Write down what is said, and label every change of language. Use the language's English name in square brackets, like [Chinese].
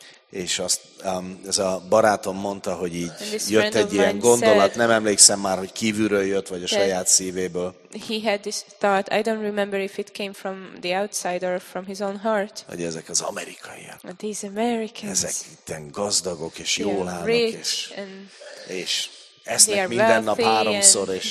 [Hungarian] És azt ez a barátom mondta, hogy így jött egy ilyen gondolat, nem emlékszem már, hogy kívülről jött vagy a saját szívéből. [English] He had this thought. I don't remember if it came from the outside or from his own heart. [Hungarian] Hogy ezek az amerikaiak. [English] These Americans. [Hungarian] Ezek itten gazdagok és jól állnak, és esznek [English] they are [Hungarian] minden nap háromszor, és